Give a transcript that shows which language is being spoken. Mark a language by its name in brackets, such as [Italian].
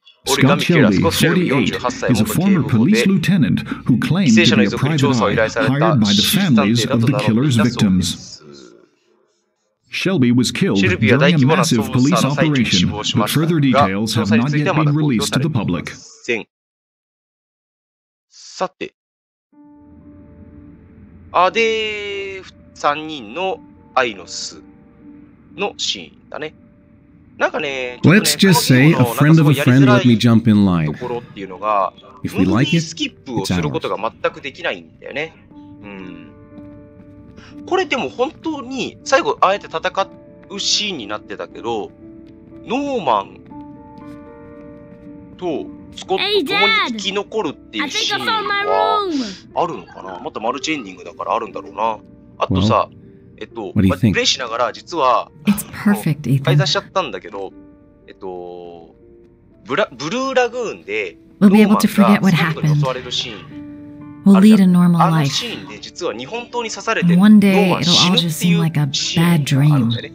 [English] Scott Shelby, 48, is a former police lieutenant who claimed to be a private eye hired by the families of the killer's victims. Shelby was killed during a massive police operation, but further details have not yet been released to the public. [Japanese] さて、あで三人の愛の巣のシーンだね。なんかね、 [English] Let's just say a friend of a friend let me jump in line. If we like it, [Japanese] スキップをすることが全くできないんだよね。これでも本当に最後あえて戦うシーンになってたけど、ノーマンとスコットともに生き残るっていうシーンはあるのかな。またマルチエンディングだからあるんだろうな。あとさ、プレイしながら実は解散しちゃったんだけど、ブルーラグーンでノーマンがスコットに襲われるシーン、 [English] will lead a normal life. And one day it'll all just seem like a bad dream.